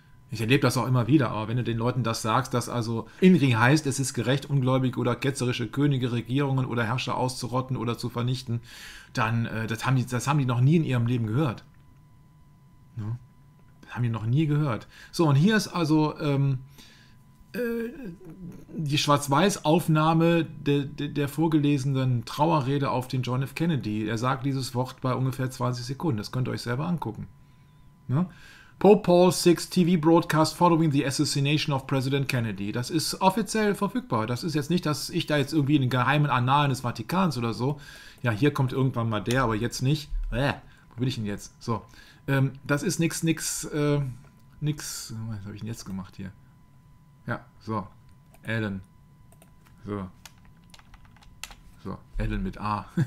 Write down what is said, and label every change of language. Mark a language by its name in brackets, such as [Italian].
[German] Ich erlebe das auch immer wieder, aber wenn du den Leuten das sagst, dass also Inri heißt, es ist gerecht, ungläubige oder ketzerische Könige, Regierungen oder Herrscher auszurotten oder zu vernichten, dann das haben die noch nie in ihrem Leben gehört. Ja? Das haben die noch nie gehört. So, und hier ist also die Schwarz-Weiß-Aufnahme der vorgelesenen Trauerrede auf den John F. Kennedy. Er sagt dieses Wort bei ungefähr 20 Sekunden. Das könnt ihr euch selber angucken. Ja? [English] Pope Paul VI TV Broadcast following the assassination of President Kennedy. [German] Das ist offiziell verfügbar. Das ist jetzt nicht, dass ich da jetzt irgendwie in den geheimen Annalen des Vatikans oder so. Ja, hier kommt irgendwann mal der, aber jetzt nicht. Wo bin ich denn jetzt? So. Das ist nix. Was habe ich denn jetzt gemacht hier? Ja, so. Alan. So. So, Alan mit A.